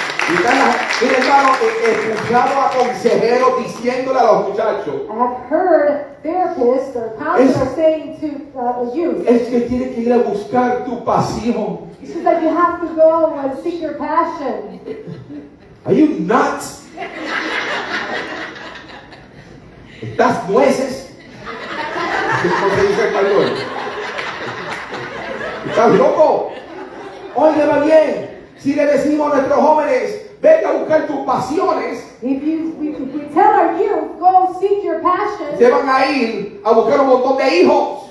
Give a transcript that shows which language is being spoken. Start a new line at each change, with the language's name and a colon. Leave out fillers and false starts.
Spanish: Y tal, hermano, he escuchado a consejeros diciéndole a los muchachos.
English: I've heard therapists or counselors saying to the youth.
Spanish: Es que tienes que ir a buscar tu pasión.
English: It's just that you have to go and seek your passion. Are you nuts?
Spanish: ¿Estás nueces? ¿Cómo se dice en español? ¿Estás loco? Óyeme bien. Si le decimos a nuestros jóvenes, vete a buscar tus pasiones.
English: If we tell our youth, go seek your passion.
Spanish: Se van a ir a buscar un montón de hijos.